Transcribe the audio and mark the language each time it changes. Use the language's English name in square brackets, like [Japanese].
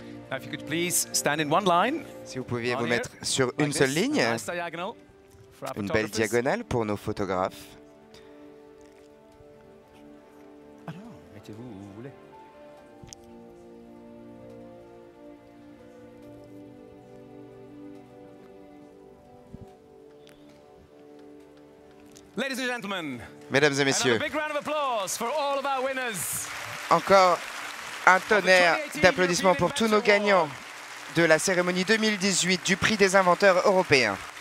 [English] Now, if you could please stand in one line. [French] Si vous pouviez vous mettre sur une seule ligne, une belle diagonale pour nos photographes. [English] Ladies and gentlemen, [French] mesdames et messieurs, [English] another big round of applause for all of our winners. [French] Encore un tonnerre d'applaudissements pour tous nos gagnants de la cérémonie 2018 du prix des inventeurs européens.